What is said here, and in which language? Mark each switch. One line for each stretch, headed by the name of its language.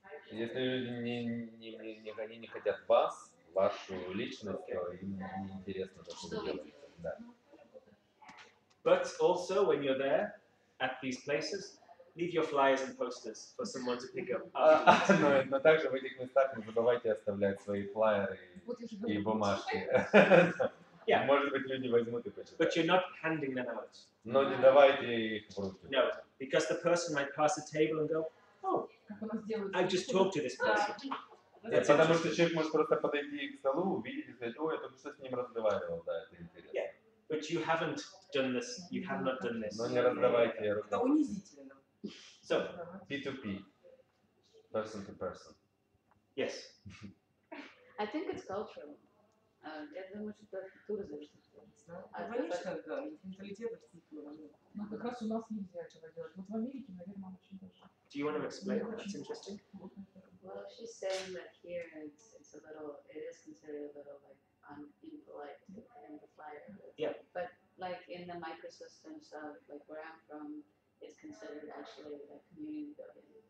Russian: Если люди не хотят вас, вашу личность, то им не интересно, что вы делаете. Да.
English: But also when you're there at these places, leave your flyers and posters for someone to pick up.
Russian: Но также в этих местах не забывайте оставлять свои флаеры и бумажки.
English: Yeah.
Russian: Может быть, люди возьмут и почитают.
English: But you're not handing them out.
Russian: Но не давайте их в руки.
English: No, because the person might pass the table and go, oh, I just talked to this person.
Russian: Yeah, потому что человек может просто подойти к столу, увидеть и сказать, ой, я только что с ним разговаривал, да, это интересно.
English: Yeah. But you haven't done this, you have not done this.
Russian: Но не раздавайте руки. Это унизительно.
English: So, P2P, person to person. Yes. I think it's cultural.
Russian: Я думаю, что это туризм. Конечно, да, менталитет. Но как раз у нас нельзя этого делать. Вот в Америке, наверное, очень хорошо.
English: Do you want to explain? That's interesting. Well, she's saying that here it's a little, it is considered a little like impolite in the flyer. Yeah. But like in the microsystems of like where I'm from, it's considered actually a community building.